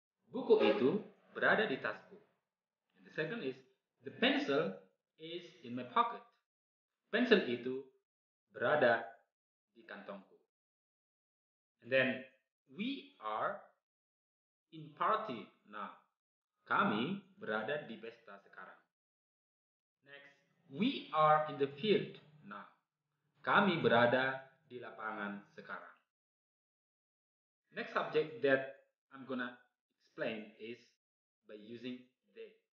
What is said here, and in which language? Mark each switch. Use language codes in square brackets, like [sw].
[id] Buku itu berada di tasku. [en] And the second is, the pencil is in my pocket. [id] Pencil itu berada di kantongku. [en] And then, we are in party now. [id] Kami berada di pesta sekarang. [en] Next, [id] we are in the field now. Kami berada di lapangan sekarang. [en] Next subject that I'm gonna explain is by using they.